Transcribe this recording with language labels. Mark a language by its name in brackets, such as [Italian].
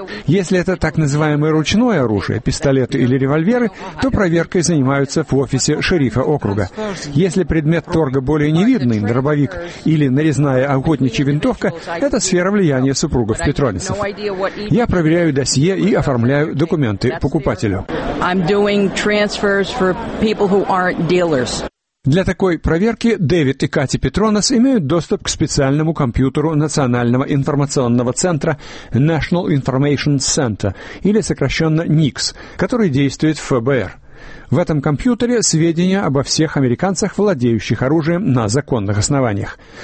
[Russian] Если это так называемое ручное оружие, пистолеты или револьверы, то проверкой занимаются в офисе шерифа округа. Если предмет торга более невидный, дробовик или нарезная охотничья винтовка, это сфера влияния супругов Петронисов. Я проверяю досье и оформляю документы покупателю. [English] I'm doing transfers for people who aren't dealers. [Russian] Для такой проверки Дэвид и Кати Петронос имеют доступ к специальному компьютеру Национального информационного центра [English] National Information Center, [Russian] или сокращенно NICS, который действует в ФБР. В этом компьютере сведения обо всех американцах, владеющих оружием на законных основаниях.